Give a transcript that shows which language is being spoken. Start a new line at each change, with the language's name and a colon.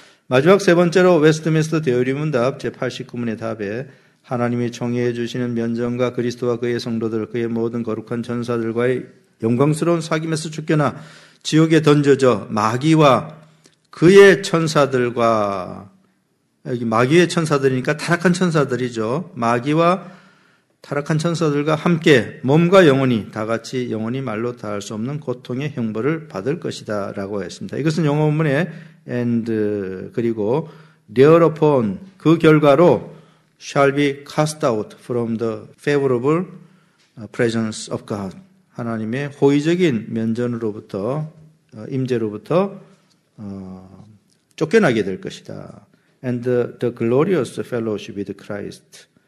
Korean: 마지막 세 번째로 웨스트민스터 대열이 문답 제89문의 답에 하나님이 총애해 주시는 면전과 그리스도와 그의 성도들 그의 모든 거룩한 전사들과의 영광스러운 사귐에서 쫓겨나 지옥에 던져져 마귀와 그의 천사들과 여기 마귀의 천사들이니까 타락한 천사들이죠. 마귀와 타락한 천사들과 함께 몸과 영혼이 다 같이 영혼이 말로 다할 수 없는 고통의 형벌을 받을 것이다 라고 했습니다. 이것은 영어 본문의
English: and
Korean: 그리고
English: thereupon
Korean: 그 결과로
English: shall be cast out from the favorable presence of God.
Korean: 하나님의 호의적인 면전으로부터 임재로부터 쫓겨나게 될 것이다.
English: And the glorious fellowship with Christ.